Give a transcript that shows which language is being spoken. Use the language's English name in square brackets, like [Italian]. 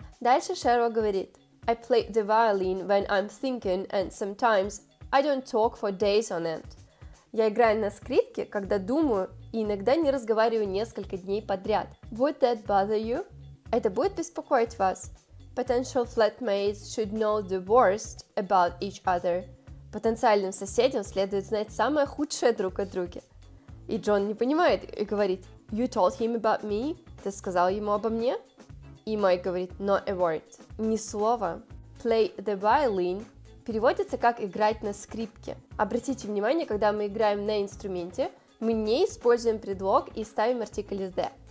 [Russian] Дальше Шерва говорит, [English] I play the violin when I'm thinking and sometimes I don't talk for days on end. [Russian] Я играю на скрипке, когда думаю, и иногда не разговариваю несколько дней подряд. [English] Would that bother you? [Russian] Это будет беспокоить вас. [English] Potential flatmates should know the worst about each other. [Russian] Потенциальным соседям следует знать самое худшее друг о друге. И Джон не понимает и говорит, [English] You told him about me? [Russian] Ты сказал ему обо мне? И Майк говорит, [English] Not a word. [Russian] Ни слова. [English] Play the violin. [Russian] Переводится как «играть на скрипке». Обратите внимание, когда мы играем на инструменте, мы не используем предлог и ставим артикль «the».